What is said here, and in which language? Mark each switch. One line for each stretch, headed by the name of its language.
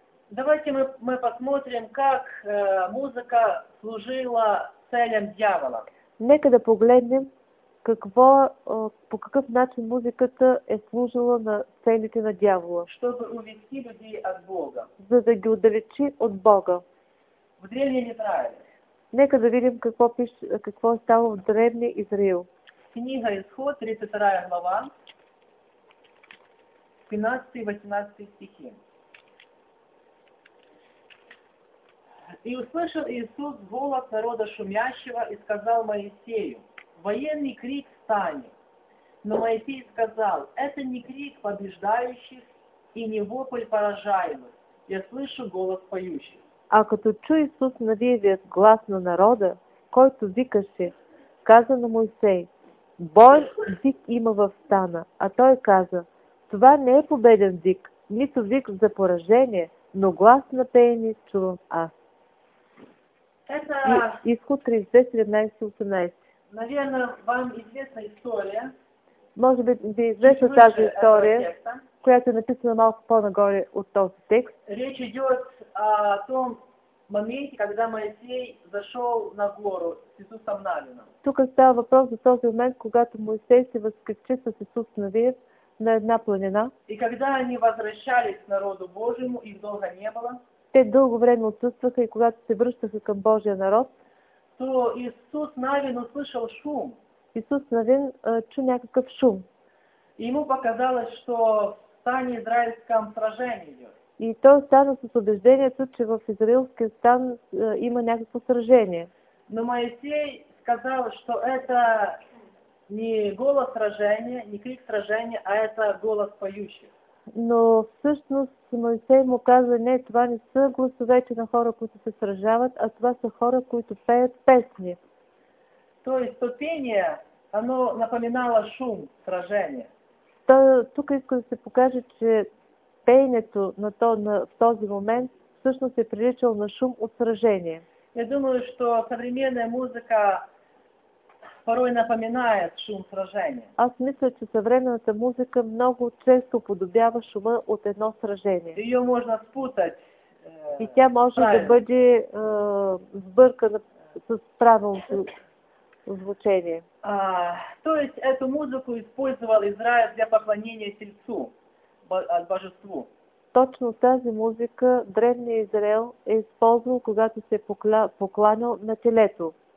Russian: Давайте мы посмотрим, как музыка служила целям дьявола.
Bulgarian: Нека да погледнем по какъв начин музиката е служила на целите на дявола.
Russian: Чтобы увести людей от Бога.
Bulgarian: За да ги отдалечи от Бога.
Russian: В древнем Израиле.
Bulgarian: Нека да видим какво е ставало в древния Израил. Книга Изход, 32 глава, 15-18 стихи.
Russian: И услышал Иисус голос народа шумящего и сказал Моисею, военный крик встанет. Но Моисей сказал, это не крик побеждающих и не вопль поражаемых. Я слышу голос поющих.
Bulgarian: А като чу Иисус навивият глас на народа който викаше, каза на Мойсей: «Бой вик има в стана», а той каза: «Това не е победен вик, нито вик за поражение, но глас на пеене чувам аз».
Russian: Это Исход 37:17. Наверное, вам известна история.
Bulgarian: Може би ви е известна тази история, която е написана малко по-нагоре от този текст.
Russian: Речь идет о том моменте, когда Моисей зашел на гору с Исусом Навином.
Bulgarian: Тук става въпрос за този момент, когато Моисей се възкрещи с Исус Навин на една планина.
Russian: И когда они возвращались к народу Божьему, их долго не было.
Bulgarian: Те дълго време отсъстваха и когато се връщаха към Божия народ,
Russian: то Исус Навин услышал шум.
Bulgarian: Исус Навин чу някакъв шум.
Russian: И ему показалось, что в стане израильском сражение идет.
Bulgarian: И той стана с убеждението, че в израилския стан има някакво сражение.
Russian: Но Моисей сказал, что это не голос сражения, не крик сражения, а это голос поющих.
Bulgarian: Но всъщност Моисей му каза: не, това не са гласовете на хора, които се сражават, а това са хора, които пеят песни.
Russian: Тоест, то пение, оно напоминало шум сражения.
Bulgarian: Тук иска да се покаже, че пеенето в този момент всъщност е приличало на шум от сражение.
Russian: Я думаю, что современная музыка порой напоминает шум сражения.
Bulgarian: Аз мисля, че съвременната музика много често подобява шума от едно сражение.
Russian: Ее можно спутать.
Bulgarian: И тя може правильно да бъде сбъркана с правилното звучение.
Russian: То есть эту музыку использовал Израиль для поклонения Тельцу, божеству.
Bulgarian: Точно тази музика древния Израел е използвал, когато се е покланял на телето.